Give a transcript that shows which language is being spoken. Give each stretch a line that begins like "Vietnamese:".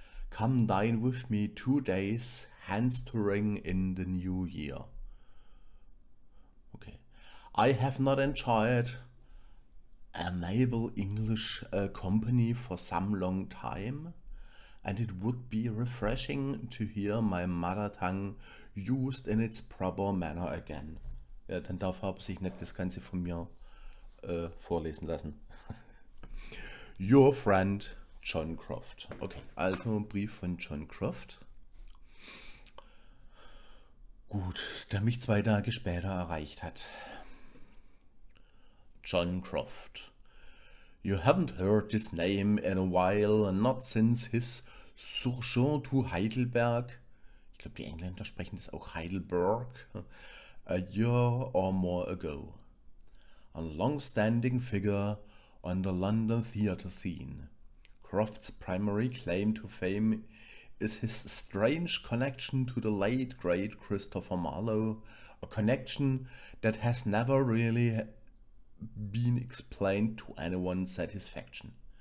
English: Come dine with me 2 days, hence to ring in the new year. Okay. I have not enjoyed an able English company for some long time, and it would be refreshing to hear my mother tongue used in its proper manner again.
German: Ja, dann darf er aber sich nicht das Ganze von mir vorlesen lassen.
English: Your friend John Croft.
German: Okay, also ein Brief von John Croft. Gut, der mich 2 Tage später erreicht hat. John Croft.
English: You haven't heard this name in a while, not since his Sojourn to Heidelberg.
German: Ich glaube, die Engländer sprechen das auch Heidelberg.
English: A year or more ago. A long-standing figure on the London theatre scene. Croft's primary claim to fame is his strange connection to the late great Christopher Marlowe, a connection that has never really been explained to anyone's satisfaction.